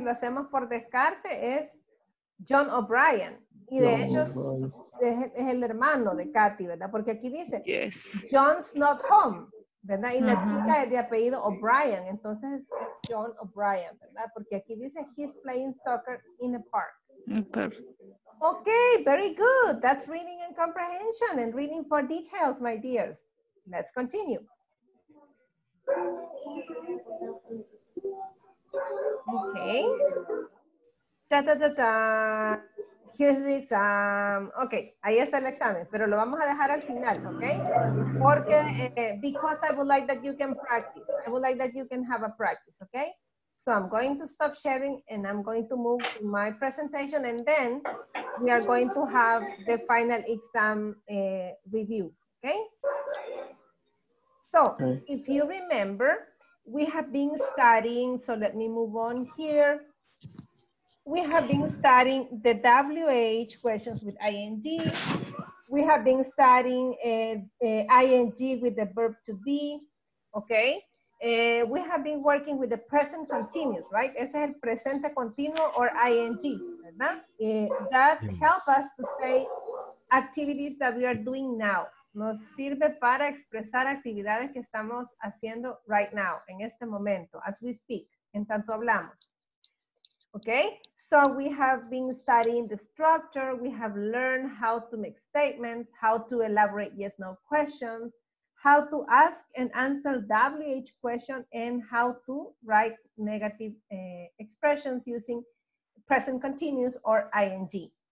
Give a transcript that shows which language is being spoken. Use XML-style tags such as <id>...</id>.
<es>Si lo hacemos por descarte es John O'Brien. Y de hecho es el hermano de Kathy, ¿verdad? Porque aquí dice,</es> <en>yes. John's not home, ¿verdad?</en> <es>Y la chica es de apellido O'Brien, entonces es John O'Brien, ¿verdad? Porque aquí dice,</es> <en>he's playing soccer in the park. Ok, very good. That's reading and comprehension and reading for details, my dears. Let's continue. Ok. Ta ta ta ta. Here's the exam.</en> <es>Ok, ahí está el examen, pero lo vamos a dejar al final, ¿ok?</es> <en>Porque, because I would like that you can practice. I would like that you can have a practice, ¿ok? So I'm going to stop sharing and I'm going to move to my presentation and then we are going to have the final exam review, ¿ok? So, okay. If you remember, we have been studying, so let me move on here. We have been studying the WH questions with ing. We have been studying ing with the verb to be, okay? We have been working with the present continuous, right?</en> <es>Ese es el presente continuo</es> <en>or ing,</en> <es>¿verdad?</es> <en>That help us to say activities that we are doing now.</en> <es>Nos sirve para expresar actividades que estamos haciendo</es> <en>right now,</en> <es>en este momento,</es> <en>as we speak,</en> <es>en tanto hablamos.</es> <en>Okay, so we have been studying the structure, we have learned how to make statements, how to elaborate yes-no questions, how to ask and answer WH questions, and how to write negative expressions using present continuous or ing.</en>